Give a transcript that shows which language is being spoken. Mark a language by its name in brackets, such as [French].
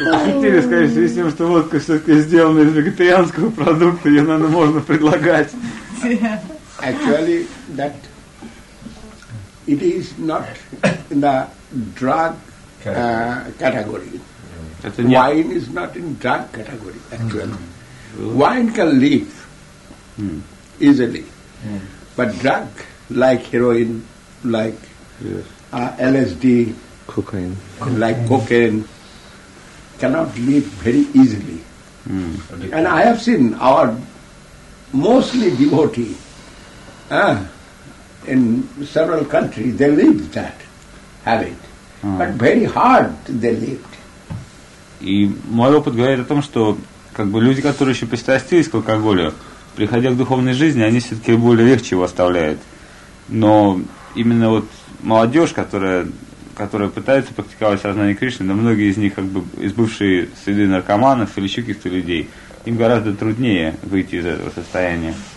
[Russian] шутили, скорее всего, с тем, что водка все-таки сделана из вегетарианского продукта, ее, наверное, можно предлагать. [English] Actually, that it is not in the drug category. Wine is not in drug category, actually. Wine can leave easily. But drug, like heroin, like LSD, cocaine, like cocaine, cannot leave very easily. And I have seen our mostly devotee in several countries, they live that habit. But very hard they lived. [Russian] И мой опыт говорит о том, что как бы люди, которые еще пристрастились к алкоголю, приходя к духовной жизни, они все-таки более легче его оставляют. Но именно вот молодежь, которая пытается практиковать сознание Кришны, но многие из них как бы из бывшей среды наркоманов или еще каких-то людей, им гораздо труднее выйти из этого состояния.